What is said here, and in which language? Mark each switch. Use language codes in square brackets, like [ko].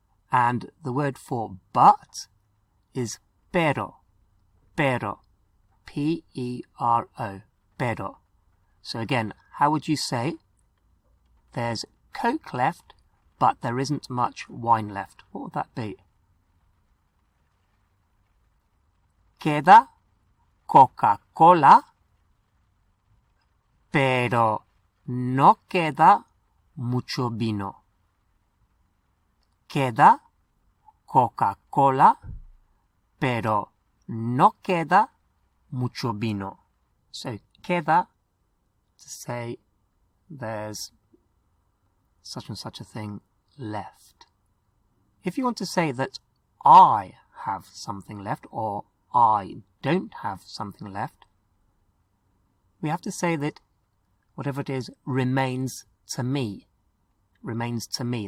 [en] And the word for but is pero. Pero. P-E-R-O, pero. So again, how would you say there's Coke left, but there isn't much wine left? What would that be? [es] Queda Coca-Cola, pero no queda mucho vino. Queda Coca-Cola, pero no queda mucho vino. So queda [en] to say there's such and such a thing left. If you want to say that I have something left or I don't have something left, we have to say that whatever it is remains to me. Remains to me.